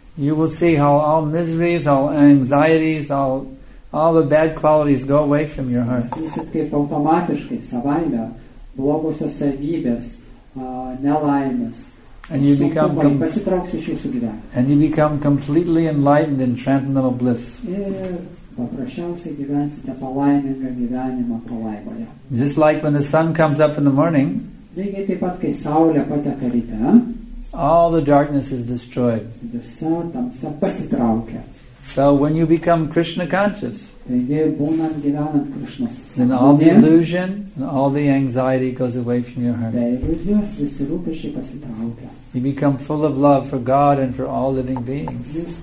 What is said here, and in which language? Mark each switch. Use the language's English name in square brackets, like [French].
[English] You will see how all miseries, all anxieties, all the bad qualities go away from your heart. [Lithuanian] Patirsite kaip automatiškai, savaime blogosios savybės, nelaimės. [English] And you become [Lithuanian] pasitrauks iš jūsų gyvenimo. [English] And you become completely enlightened in transcendental bliss. [Lithuanian] Paprasčiausiai gyvensite palaimingą gyvenimą palaimoje. [English] Just like when the sun comes up in the morning. [Lithuanian] Lygiai taip pat kai saulė pateka ryte. [English] All the darkness is destroyed. [Lithuanian] Visa tamsa pasitraukia. [English] So when you become Krishna conscious. Then all the illusion and all the anxiety goes away from your heart. You become full of love for God and for all living beings.